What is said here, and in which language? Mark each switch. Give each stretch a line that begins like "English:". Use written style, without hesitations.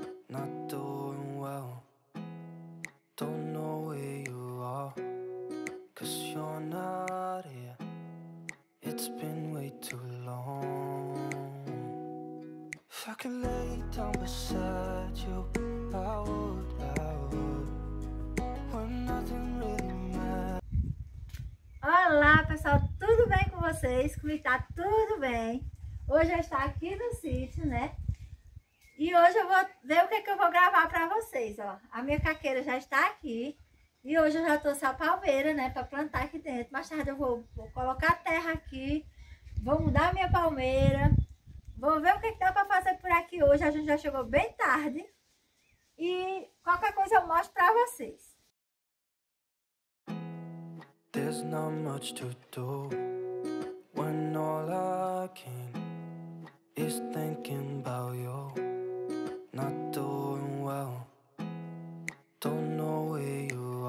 English: Not doing well, don't know where you are, 'cause you're not here. It's been way too long. If I could lay down beside you, I would, I would. When nothing really matters.
Portuguese: Olá, pessoal, tudo bem com vocês? Como está? Tudo bem? Hoje eu estou aqui no sítio, né? E hoje eu vou ver o que eu vou gravar para vocês, ó. A minha caqueira já está aqui. E hoje eu já trouxe a palmeira, né, para plantar aqui dentro. Mais tarde eu vou colocar a terra aqui, vou mudar a minha palmeira, vou ver o que dá para fazer por aqui hoje. A gente já chegou bem tarde e qualquer coisa eu mostro para vocês.
English: There's not much to do when all I can is thinking about you. Not doing well, don't know where you.